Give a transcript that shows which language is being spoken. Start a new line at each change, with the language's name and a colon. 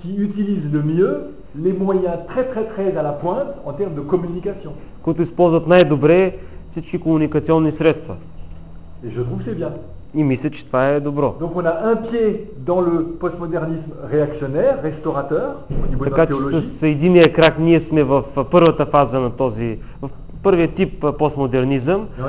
French: qui utilisent le mieux les moyens très très très à la pointe en termes de communication.
Bulgarian: Които използват най-добре всички комуникационни средства.
French: Et je trouve que c'est bien.
Bulgarian: И мисля, че това е добро.
French: Donc on a un pied dans le postmodernisme réactionnaire, restaurateur, au niveau de la théologie.
Bulgarian: Така че с единия крак ние сме в първата фаза на този, в първия тип постмодернизъм.